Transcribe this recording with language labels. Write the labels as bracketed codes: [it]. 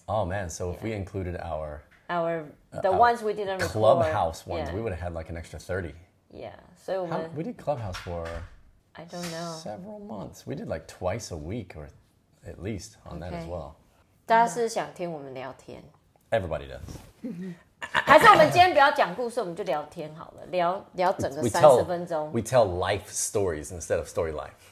[en] Oh man, so if we included our... The ones we didn't record. Clubhouse ones, we would have had like an extra 30. Yeah, so we did Clubhouse for I don't know several months. We did like twice a week or at least on that as well. [zh] 大家是想听我们聊天? [en] Everybody does. [zh] 还是我们今天不要讲故事，我们就聊天好了，聊整个三十分钟。 [en] We tell life stories instead of story life.